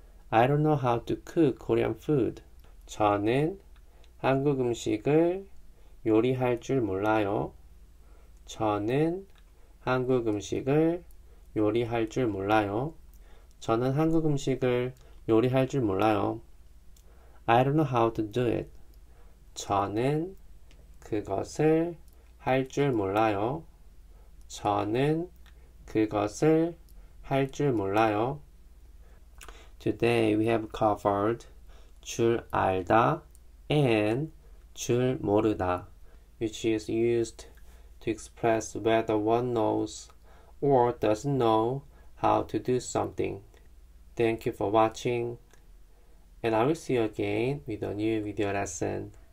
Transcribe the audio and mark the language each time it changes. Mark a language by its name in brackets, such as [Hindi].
[English] I don't know how to cook Korean food. [Korean] 저는 한국 음식을 요리할 줄 몰라요. 저는 한국 음식을 요리할 줄 몰라요. 저는 한국 음식을 요리할 줄 몰라요. [English] I don't know how to do it. [Korean] 저는 그것을 할줄 몰라요. 저는 그것을 할줄 몰라요. [English] Today we have covered 줄 알다 and 줄 모르다, which is used to express whether one knows or doesn't know how to do something. Thank you for watching, and I will see you again with a new video lesson.